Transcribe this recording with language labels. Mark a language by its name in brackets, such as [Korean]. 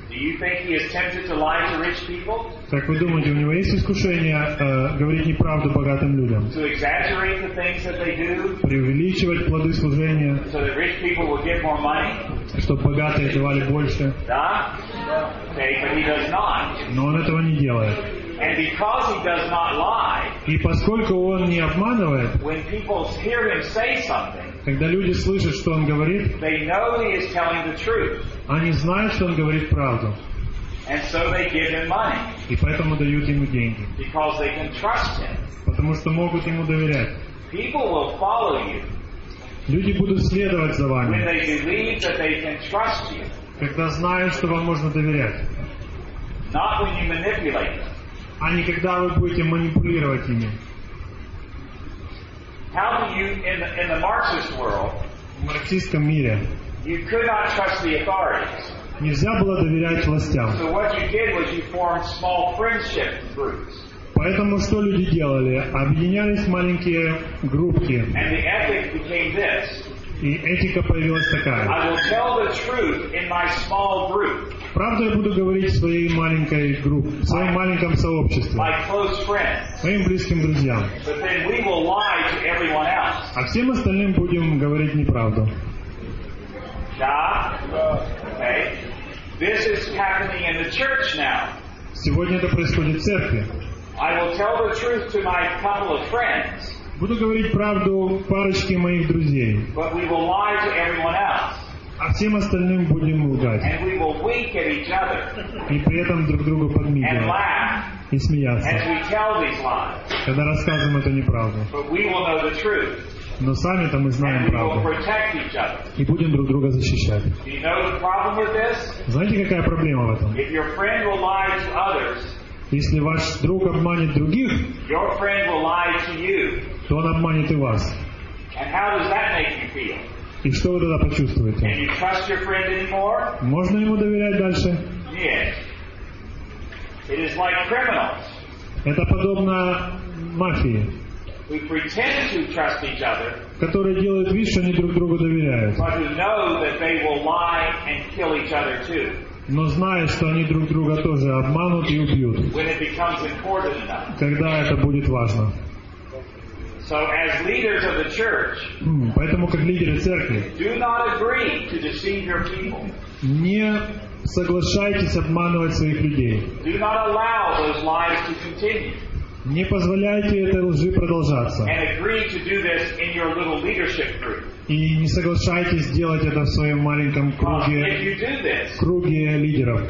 [English] Do you think he is tempted to lie to rich people? [Russian] Так вы думаете, у него есть искушение говорить неправду богатым людям? [English] To exaggerate the things that they do? [Russian] Преувеличивать плоды служения? [English] So that rich people will get more money? [Russian] Чтобы богатые давали больше? Да. [English] Okay, but he does not. [Russian] Но он этого не делает. [English] And because he does not lie, [Russian] и поскольку он не обманывает, [English] when people hear him say something, [Russian] когда люди слышат, что он говорит, [English] they know he is telling the truth. [Russian] Они знают, что он говорит правду. [English] And so they give him money. [Russian] И поэтому дают ему деньги. [English] Because they can trust him. [Russian] Потому что могут ему доверять. [English] People will follow you. [Russian] Люди будут следовать за вами. [English] When they believe that they can trust you. [Russian] Когда знают, что вам можно доверять. [English] Not when you manipulate them. [Russian] А не когда вы будете манипулировать ими. [English] How do you, in the Marxist world, [Russian] в марксистском мире, [English] you could not trust the authorities. [Russian] Нельзя было доверять властям. [English] So what you did was you formed small friendship groups. [Russian] Поэтому что люди делали? Объединялись маленькие группки. [English] And the ethic became this. [Russian] И этика появилась такая. [English] I will tell the truth in my small group. [Russian] Правду я буду говорить в своей маленькой группе, в своем маленьком сообществе, своим близким друзьям. [English] But then we will lie to everyone else. [Russian] А всем остальным будем говорить неправду. Да? [English] Okay. This is happening in the church now. [Russian] Сегодня это происходит в церкви. [English] I will tell the truth to my couple of friends. [Russian] Буду говорить правду парочке моих друзей. [English] But we will lie to everyone else. [Russian] А всем остальным будем лгать. [English] And we will wink at each other. [Russian] И при этом друг другу подмигивать. И смеяться. [English] As we tell these lies. [Russian] Когда рассказываем эту неправду. [English] But we will know the truth. [Russian] Но сами-то мы знаем правду. И будем друг друга защищать. [English] You know the problem with this? [Russian] Знаете, какая проблема в этом? [English] If your friend will lie to others, [Russian] если ваш друг обманет других, [English] your friend will lie to you. [Russian] То он обманет и вас. [English] And how does that make you feel? [Russian] И что вы тогда почувствуете? [English] Can you trust your friend anymore? [Russian] Можно ему доверять дальше? [English] Yes. It is like criminals. [Russian] Это подобно мафии. [English] We pretend to trust each other, [Russian] которые делают вид, что они друг другу доверяют. [English] But we know that they will lie and kill each other too. [Russian] Но зная, что они друг друга тоже обманут и убьют. [English] When it becomes important enough. [Russian] Когда это будет важно. [English] So as leaders of the church, [Russian] поэтому как лидеры церкви, [English] do not agree to deceive your people. [Russian] Не соглашайтесь обманывать своих людей. [English] Do not allow those lies to continue. [Russian] Не позволяйте этой лжи продолжаться. [English] And agree to do this in your little leadership group. [Russian] И не соглашайтесь делать это в своем маленьком круге, круге лидеров.